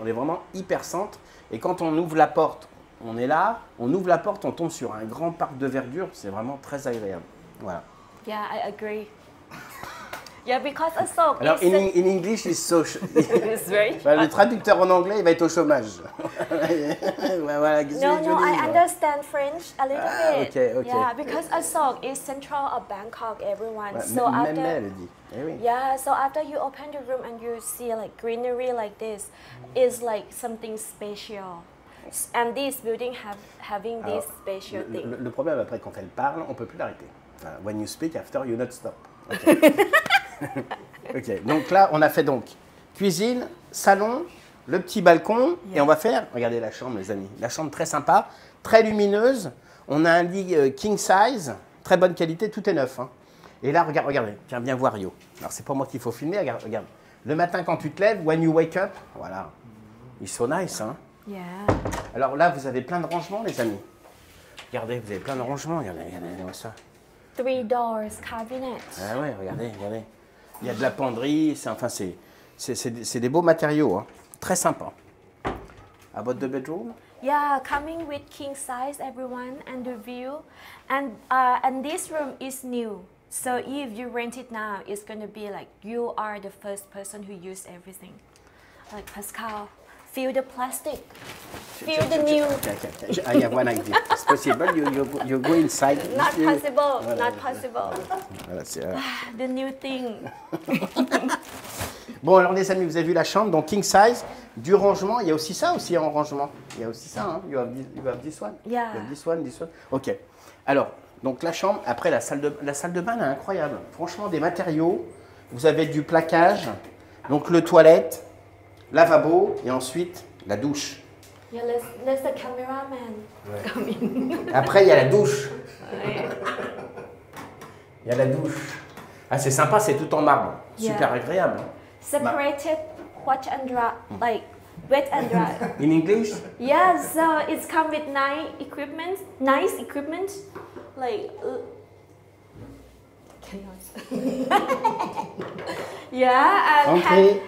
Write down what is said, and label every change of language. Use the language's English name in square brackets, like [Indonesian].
[French] On est vraiment hypercentre. Et quand on ouvre la porte, on est là. On ouvre la porte, on tombe sur un grand parc de verdure. C'est vraiment très agréable. Voilà. [English] Yeah, I agree. Yeah, because a Sox. Alors, in English, it's so. It's very. [French] Le traducteur en anglais, il va être au chômage. [English] Voilà, I understand French a little bit. Okay. Yeah, because a Sox is central of Bangkok, everyone. [French] Ouais, so même [English] after. [French] Elle dit. [English] Yeah, so after you open the room and you see like greenery like this, is like something special. And this building having this special thing. [French] Le problème après, quand elle parle, on peut plus l'arrêter. [English] When you speak after, you not stop. Okay. [French] Ok, donc là, on a fait donc cuisine, salon, le petit balcon, yeah. Et on va faire, regardez la chambre, les amis, la chambre très sympa, très lumineuse, on a un lit king size, très bonne qualité, tout est neuf. Hein. Et là, regardez, tiens, viens voir Yo. Alors, c'est pas moi qu'il faut filmer, regarde. Le matin, quand tu te lèves, [English] when you wake up, [French] voilà, ils sont nice. Hein. [English] Yeah. [French] Alors là, vous avez plein de rangements, les amis. Regardez, vous avez plein de rangements, regardez ça. [English] Three doors cabinet. [French] Ah ouais, regardez. Il y a de la penderie, c'est des beaux matériaux, hein. Très sympa. [English] About the bedroom? Yeah, coming with king size, everyone, and the view, and this room is new. So if you rent it now, it's gonna be like you are the first person who used everything. Like Pascal, feel the plastic, feel the new. I have one idea. It's possible. You go inside. Not you, possible. Voilà. Not possible. Voilà, the new thing. [French] Bon alors les amis, vous avez vu la chambre, donc king size, du rangement. Il y a aussi ça aussi en rangement. Il y a aussi ça. Hein. [English] You have this one. Yeah. You have this one. [French] Ok. Alors donc la chambre. Après la salle de bain, est incroyable. Franchement des matériaux. Vous avez du plaquage. Donc le toilette. Lavabo et ensuite la douche. [English] Yeah, let's the cameraman come in. [French] Après, il y a la douche. Il y a la douche. Ah, c'est sympa, c'est tout en marbre. Super agréable. [English] separated hot and dry, like wet and dry. In English? Yes, yeah, so it's come with nice equipment, like yeah, and okay.